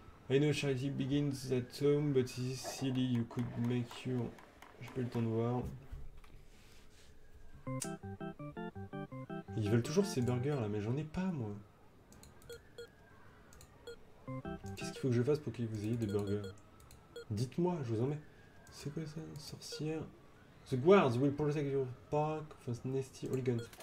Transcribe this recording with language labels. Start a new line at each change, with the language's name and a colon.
English: I know charity begins at home, but it is silly, you could make your.
French: J'ai pas eu le temps de voir. Ils veulent toujours ces burgers là, mais j'en ai pas moi. Qu'est-ce qu'il faut que je fasse pour que vous ayez des burgers? Dites-moi, je vous en mets. C'est quoi ça, sorcière?
English: The guards will protect your park from nasty hooligans.